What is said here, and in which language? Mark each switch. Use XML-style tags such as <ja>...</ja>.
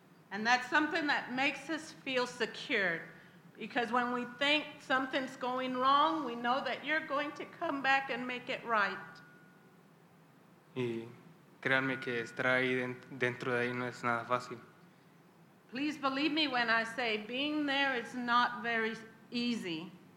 <en>And that's something that makes us feel secure. Because when we think something's going wrong, we know that you're going to come back and make it right.</en> <es>Y créanme que estar ahí dentro de ahí no es nada fácil.</es> <en>Please believe me when I say being there is not very easy.</en>